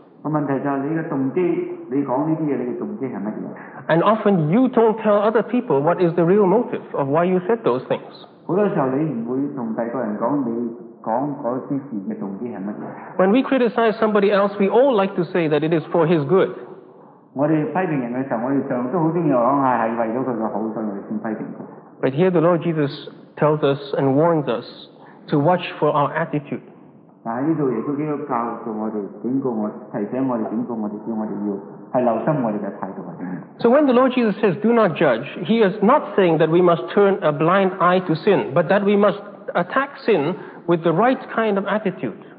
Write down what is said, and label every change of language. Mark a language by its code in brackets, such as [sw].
[yue] 問題就係你嘅動機，你講呢啲嘢，你嘅動機係乜嘢？ [en] And often you don't tell other people what is the real motive of why you said those things. [yue] 好多時候你唔會同第二個人講你講嗰啲事嘅動機係乜嘢？ [en] When we criticize somebody else, we all like to say that it is for his good. [yue] 我哋批評人嘅時候，我哋常都好中意講係為咗佢嘅好，所以我哋先批評佢。 [en] But here the Lord Jesus tells us and warns us to watch for our attitude. [yue] 但喺呢度耶穌基督教導我哋，警告我，提醒我哋，警告我哋，叫我哋要係留心我哋嘅態度。 [en] So when the Lord Jesus says, "Do not judge," He is not saying that we must turn a blind eye to sin, but that we must attack sin with the right kind of attitude.